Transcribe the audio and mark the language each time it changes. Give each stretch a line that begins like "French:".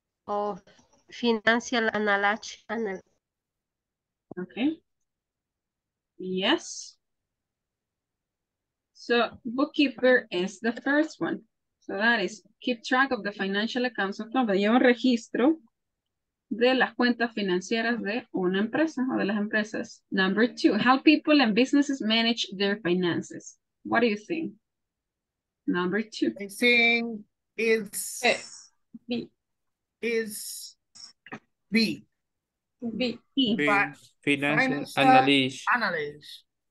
English: Oh, financial analysis. Okay. Yes. So, bookkeeper is the first one. So that is, keep track of the financial accounts of company.
Spanish: Lleva un registro de las cuentas financieras de una empresa o de las empresas.
English: Number two, help people and businesses manage their finances. What do you think? Number two. I think it's B. Is B. B. E. B. Financial analyst.